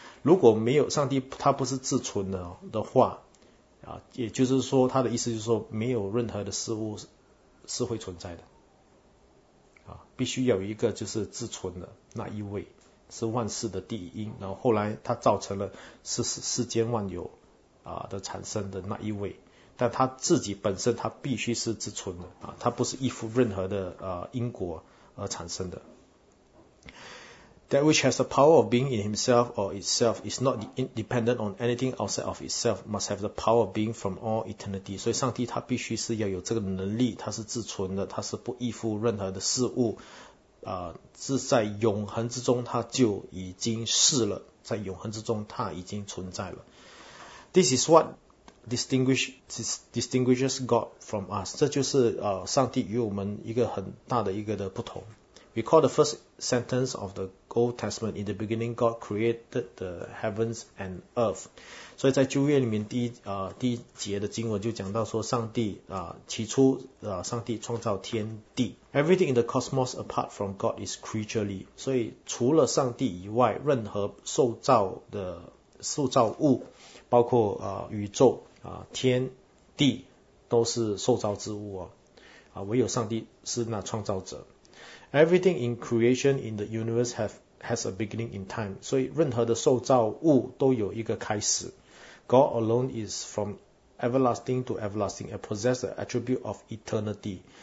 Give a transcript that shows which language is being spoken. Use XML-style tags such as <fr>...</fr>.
<zh>如果没有上帝，他不是自存的话也就是说他的意思就是说没有任何的事物是会存在的必须有一个就是自存的那一位是万事的第一因，然后后来他造成了世间万有的产生的那一位，但他自己本身他必须是自存的他不是依附任何的因果而产生的。</zh> <en>That which has the power of being in himself or itself is not dependent on anything outside of itself, must have the power of being from all eternity.</en> <zh>所以上帝他必须是要有这个能力，他是自存的，他是不依附任何的事物是在永恒之中他就已经是了，在永恒之中他已经存在了。</zh> <en>This is what,distinguishes God from us.</en> <zh>这就是上帝与我们一个很大的一个的不同。</zh> <en>Recall the first sentence of the Old Testament. In the beginning, God created the heavens and earth.</en> <zh>所以在旧约里面第一节的经文就讲到说上帝起初上帝创造天地。</zh> <en>Everything in the cosmos apart from God is creaturely.</en> <zh>所以除了上帝以外任何受造物包括宇宙天地都是受造之物唯有上帝是那创造者。</zh> <en>Everything in creation in the universe has a beginning in time.</en> <zh>所以任何的受造物都有一个开始。</zh> <en>God alone is from everlasting to everlasting and possess the attribute of eternity.</en>